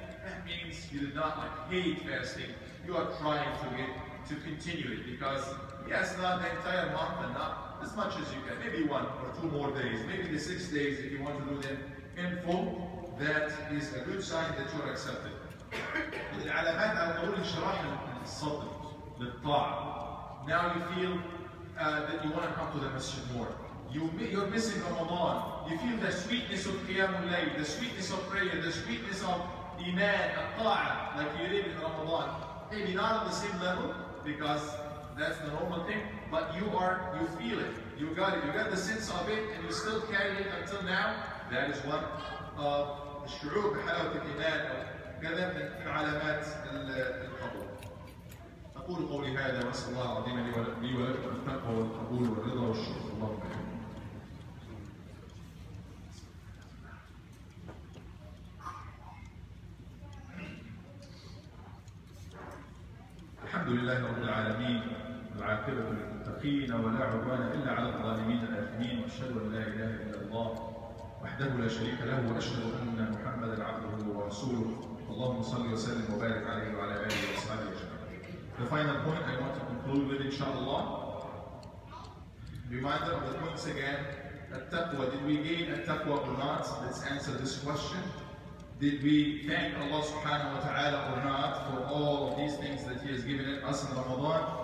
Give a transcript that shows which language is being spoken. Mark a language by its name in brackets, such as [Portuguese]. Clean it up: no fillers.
[English] that means you did not like hate fasting, you are trying to get to continue it, because yes, not the entire month and not as much as you can, maybe one or two more days, maybe the 6 days if you want to do them in full, that is a good sign that you are accepted. [Arabic] العلامات على قول الشرح الصدق للطاعة. [English] Now you feel that you want to come to the masjid more. You're missing Ramadan. You feel the sweetness of Qiyam al-Layl, the sweetness of prayer, the sweetness of Iman, al-Ta'a, like you did in Ramadan. Maybe not on the same level, because that's the normal thing, but you feel it. You got it. You got the sense of it, and you still carry it until now. That is one of the shu'ub, halawat al-Iman, kadhaf al-alamat al-Qabul. [Arabic] أقول قولي هذا وأسأل الله العظيم لي ولكم التقوى والقبول والرضا والشكر اللهم آمين. الحمد لله رب العالمين العاقبة للمتقين ولا عدوان إلا على الظالمين الآثمين وأشهد أن لا إله إلا الله وحده لا شريك له وأشهد أن محمدا عبده ورسوله اللهم صل وسلم وبارك عليه وعلى آله وصحبه أجمعين. [English] The final point I want to conclude with, inshallah. Reminder of the points again. At-taqwa, did we gain at-taqwa or not? Let's answer this question. Did we thank Allah subhanahu wa ta'ala or not for all of these things that He has given us in Ramadan?